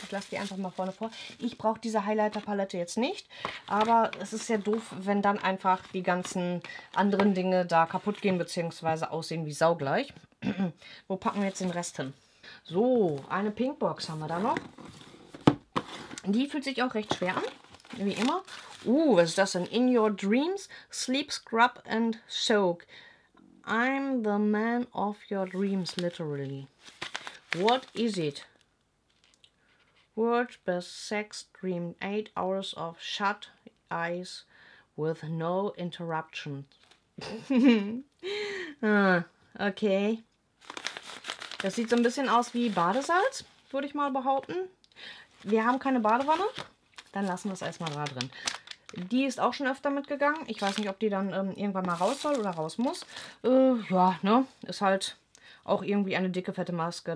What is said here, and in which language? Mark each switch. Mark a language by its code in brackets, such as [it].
[de] Ich lasse die einfach mal vorne vor. Ich brauche diese Highlighter-Palette jetzt nicht, aber es ist ja doof, wenn dann einfach die ganzen anderen Dinge da kaputt gehen bzw. aussehen wie saugleich. Wo packen wir jetzt den Rest hin? So, eine Pinkbox haben wir da noch. Die fühlt sich auch recht schwer an, wie immer. Was ist das denn? In Your Dreams Sleep Scrub and Soak. [en] I'm the man of your dreams, literally. What is it? World's best sex dream. 8 hours of shut eyes with no interruptions. Okay. [de] Das sieht so ein bisschen aus wie Badesalz, würde ich mal behaupten. Wir haben keine Badewanne. Dann lassen wir es erstmal da drin. Die ist auch schon öfter mitgegangen. Ich weiß nicht, ob die dann irgendwann mal raus soll oder raus muss. Ist halt auch irgendwie eine dicke, fette Maske.